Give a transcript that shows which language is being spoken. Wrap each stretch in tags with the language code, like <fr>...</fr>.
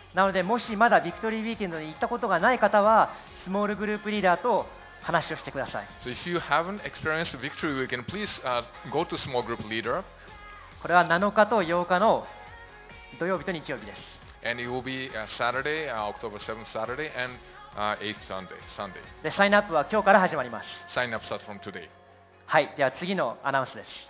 <ja>なので、もしまだビクトリーウィーケンドに行ったことがない方は、スモールグループリーダーと話をしてください。</ja> <en>So if you haven't experienced Victory Weekend, please go to small group leader.</en> <ja>これは7日と8日の土曜日と日曜日です。</ja> <en>And it will be Saturday, October 7th, Saturday, and 8th Sunday, Sunday.</en> <ja>で、サインアップは今日から始まります。</ja> <en>Sign up starts from today.</en> <ja>はい、では次のアナウンスです。</ja>